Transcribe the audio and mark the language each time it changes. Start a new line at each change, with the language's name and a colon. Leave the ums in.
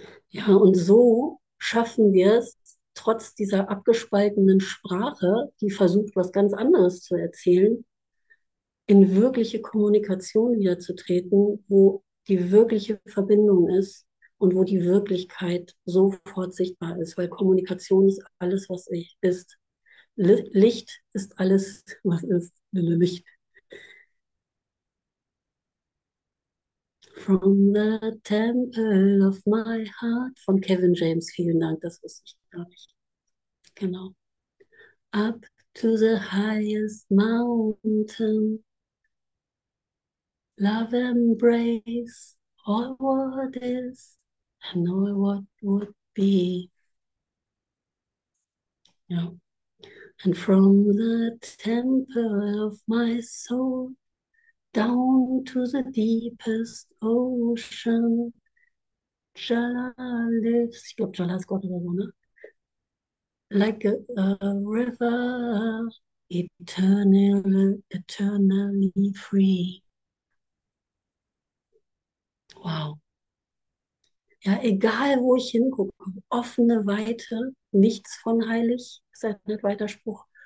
German: Ja, und so schaffen wir es, trotz dieser abgespaltenen Sprache, die versucht, was ganz anderes zu erzählen, in wirkliche Kommunikation wiederzutreten, wo die wirkliche Verbindung ist und wo die Wirklichkeit sofort sichtbar ist, weil Kommunikation ist alles, was ich ist. Licht ist alles, was ist. Licht.
English: From the Temple of My Heart von Kevin James.
German: Vielen Dank, das wusste ich gar nicht. Genau.
English: Up to the highest mountain. Love embrace all what is and all what would be. Ja. And from the temple of my soul. down to the deepest ocean.
German: Jala lives, ich glaube, Jala ist Gott oder so, ne? Like a, a river
English: Eternal, eternally free.
German: Wow. Ja, egal wo ich hingucke, offene Weite, nichts von heilig, ist ein weiter Spruch.